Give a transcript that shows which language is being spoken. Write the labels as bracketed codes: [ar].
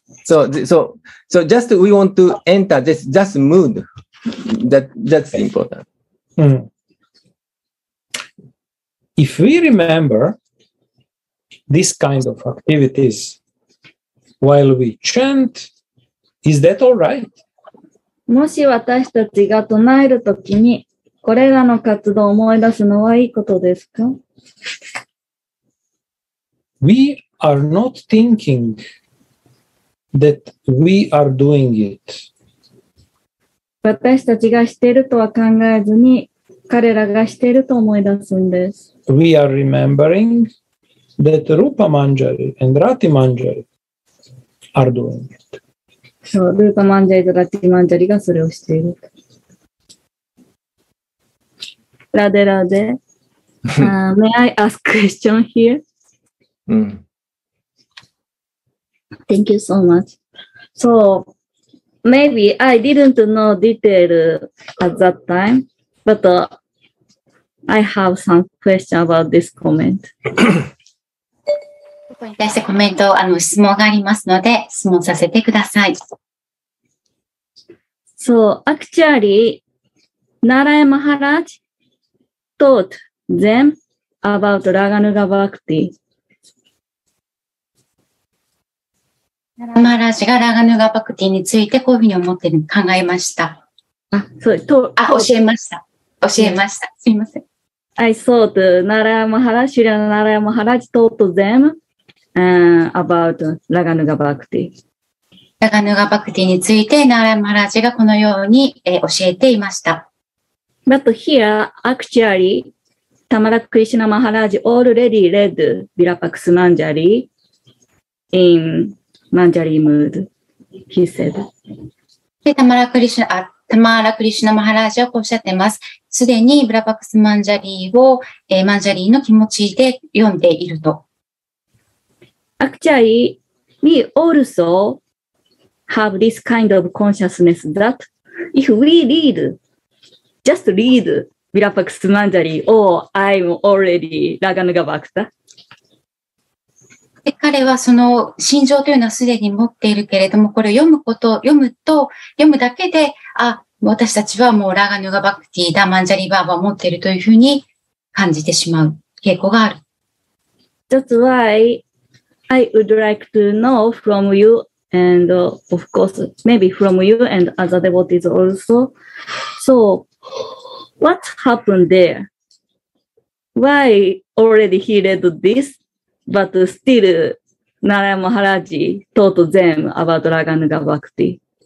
[en] So just we want to enter this just mood. That's important. Mm. If we remember this kind of activities while we chant, is that all right? [ja] もし私たちが唱えるときにこれらの活動を思い出すのはいいことですか? [en] We are not thinking that we are doing it. [ja] 私たちがしているとは考えずに彼らがしていると思い出すんです。 [en] We are remembering that Rupa Manjari and Rati Manjari are doing it. [ja] そう、ルーパマンジャリとラティマンジャリがそれをしている。ラデラデ。 [en] May I ask a question here? [ja] うん。 [en] Thank you so much. So, maybe I didn't know detail at that time, but、I have some question about this comment. [ja] ここに対してコメント、質問がありますので、質問させてください。 [en] So actually, Narayan Maharaj taught them about Raganuga Bhakti. [ja] Narayan Maharaj がラガヌガバクティについてこういうふうに思って考えました。教えました。すいません。 [en] I thought Narayan Maharaj, Shri Narayan Maharaj taught them about Raganuga Bhakti. [ja] ラガヌガバクティについてナラマラジがこのように教えていました。 [en] But here, actually, Tamala Krishna Maharaj already read Virapaks Manjari in Manjari mood, he said. [ja] Tamala Krishna, Tamala Krishna Maharaj はこうおっしゃっています。すでにヴィラパクスマンジャリをマンジャリの気持ちで読んでいると。 [en] Actually, we also,have this kind of consciousness that if we read, just read Virapaks Manjari or I'm already Raganuga Bhakta. [ja] 彼はその心情というのはすでに持っているけれども、これを読むこと、読むと、読むだけで、あ、私たちはもうラガヌガバクティだ、マンジャリバーバーを持っているというふうに感じてしまう傾向がある。 [en] That's why I would like to know from youAnd of course, maybe from you and other devotees also. So, what happened there? Why already he read this, but still Narayan Maharaj taught them about Raganuga Bhakti?